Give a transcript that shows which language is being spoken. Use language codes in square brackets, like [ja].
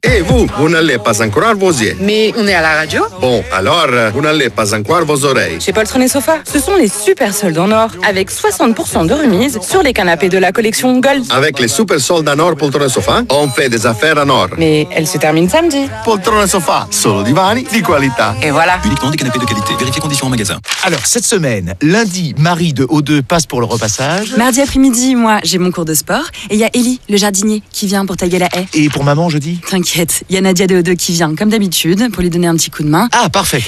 [fr] Et vous n'allez pas encore vos yeux. Mais on est à la radio. Bon, alors, vous n'allez pas encore vos oreilles. Chez Poltron et Sofa, ce sont les super soldes en or, avec 60% de remise sur les canapés de la collection Gold. Avec les super soldes en or Poltron et Sofa, on fait des affaires en or. Mais elles se terminent samedi. [it] Poltron et Sofa, solo divani di qualità. [fr] Et voilà. Uniquement des canapés de qualité. Vérifiez conditions en magasin. Alors, cette semaine, lundi, Marie de O2 passe pour le repassage. Mardi après-midi, moi, j'ai mon cours de sport. Et il y a Ellie, le jardinier, qui vient pour tailler la haie. Et pour maman, jeudi ? T'inquiète, il y a Nadia de O2 qui vient, comme d'habitude, pour lui donner un petit coup de main. Ah, parfait.